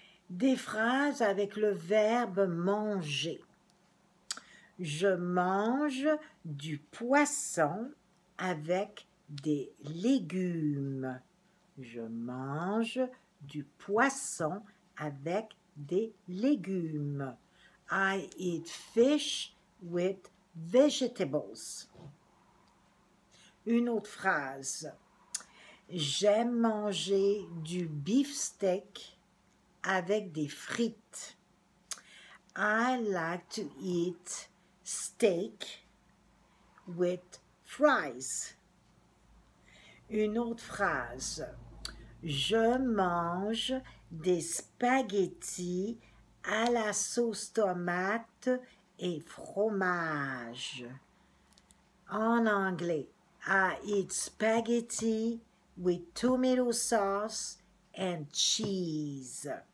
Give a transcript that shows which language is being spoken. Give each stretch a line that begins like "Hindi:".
French: Des phrases avec le verbe manger. Je mange du poisson avec des légumes. Je mange du poisson avec des légumes.
English: I eat fish with vegetables.
French: Une autre phrase. J'aime manger du beefsteak avec des frites.
English: I like to eat steak with fries.
French: Une autre phrase. Je mange des spaghettis à la sauce tomate et fromage. En anglais,
English: I eat spaghetti with tomato sauce and cheese.